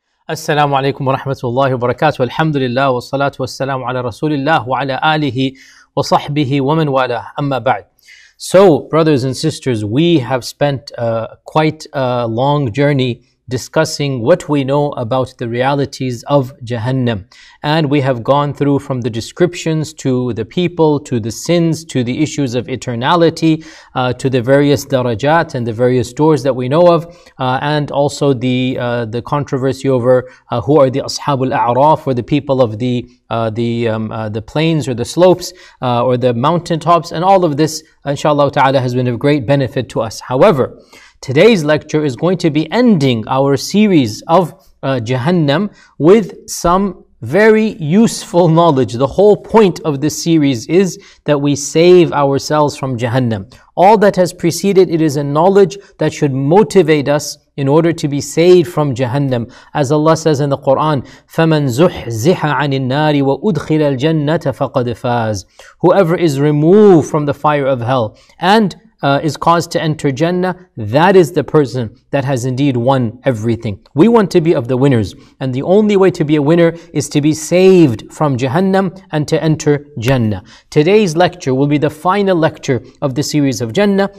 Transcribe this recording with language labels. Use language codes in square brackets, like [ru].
[ar] السلام عليكم ورحمة الله وبركاته، الحمد لله والصلاة والسلام على رسول الله وعلى آله وصحبه ومن والاه، أما بعد. [en] So, brothers and sisters, we have spent quite a long journey discussing what we know about the realities of Jahannam. And we have gone through from the descriptions to the people, to the sins, to the issues of eternality, to the various darajat and the various doors that we know of, and also the controversy over who are the Ashabul A'raf, or the people of the plains or the slopes or the mountaintops. And all of this, inshallah ta'ala, has been of great benefit to us. However, today's lecture is going to be ending our series of Jahannam with some very useful knowledge. The whole point of this series is that we save ourselves from Jahannam. All that has preceded, it is a knowledge that should motivate us in order to be saved from Jahannam. As Allah says in the Quran, [ar] فَمَنْ زُحْزِحَ عَنِ النَّارِ وَأُدْخِلَ الْجَنَّةَ فَقَدْ فَازَ. [en] Whoever is removed from the fire of hell and is caused to enter Jannah, that is the person that has indeed won everything. We want to be of the winners. And the only way to be a winner is to be saved from Jahannam and to enter Jannah. Today's lecture will be the final lecture of the series of Jannah.